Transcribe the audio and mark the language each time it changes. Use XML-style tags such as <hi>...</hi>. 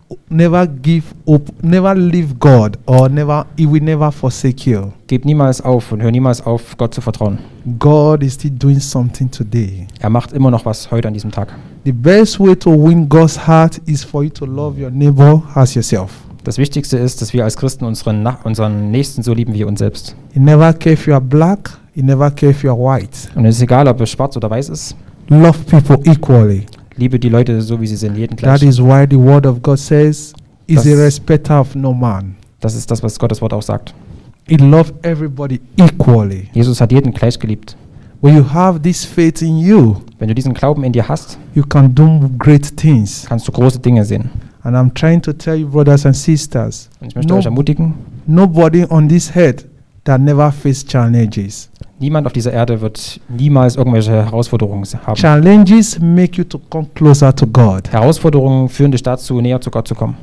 <en>Never give up, never leave God, or never forsake you.</en> <de>Gib niemals auf und hör niemals auf, Gott zu vertrauen.</de> <en>God is still doing something today.</en> <de>Er macht immer noch was heute an diesem Tag.</de> <en>The best way to win God's heart is for you to love your neighbor as yourself.</en> <de>Das Wichtigste ist, dass wir als Christen unseren Nächsten so lieben wie uns selbst.</de> <en>He never care if you are black, he never care if you are white.</en> <de>Und es ist egal, ob es schwarz oder weiß ist.</de> <en>Love people equally.</en> <de>Liebe die Leute so wie sie sind, jeden gleich.</de> <en>That is why the word of God says is a respecter of no man.</en> <de>Das ist das, was Gottes Wort auch sagt.</de> <en>He loved everybody equally.</en> <de>Jesus hat jeden gleich geliebt.</de> <en>When you have this faith in you,</en> <de>wenn du diesen Glauben in dir hast,</de> <en>you can do great things.</en> <de>Kannst du große Dinge sehen.</de> <en>And I'm trying to tell you, brothers and sisters,</en> <de>und ich möchte euch ermutigen,</de> <en>nobody on this earth that never faced challenges.</en> <de>Niemand auf dieser Erde wird niemals irgendwelche Herausforderungen haben.</de> <en>Challenges make you to come closer to God.</en> <de>Herausforderungen führen dich dazu, näher zu Gott zu kommen.</de>